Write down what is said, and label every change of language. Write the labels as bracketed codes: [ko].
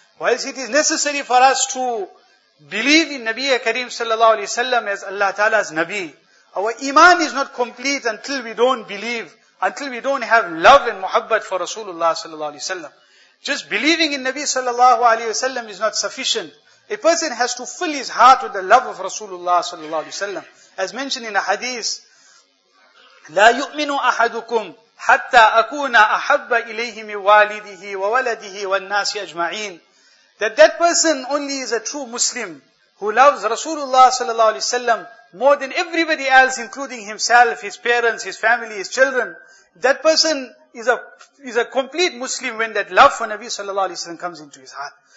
[en] Whilst it is necessary for us to believe in Nabi Kareem sallallahu alayhi wa sallam as Allah Ta'ala's Nabi, our iman is not complete until we don't believe, until we don't have love and muhabbat for Rasulullah sallallahu alayhi wa sallam. Just believing in Nabi sallallahu alayhi wa sallam is not sufficient. A person has to fill his heart with the love of Rasulullah sallallahu alayhi wa sallam. As mentioned in a hadith, [ar] لَا يُؤْمِنُ أَحَدُكُمْ حَتَّى أَكُونَ أَحَبَّ إِلَيْهِ مِ وَالِدِهِ وَوَلَدِهِ وَالنَّاسِ أَجْمَعِينَ. [en] That person only is a true Muslim who loves Rasulullah sallallahu alayhi wa sallam more than everybody else, including himself, his parents, his family, his children. That person is a complete Muslim when that love for Nabi sallallahu alayhi wa sallam comes into his heart.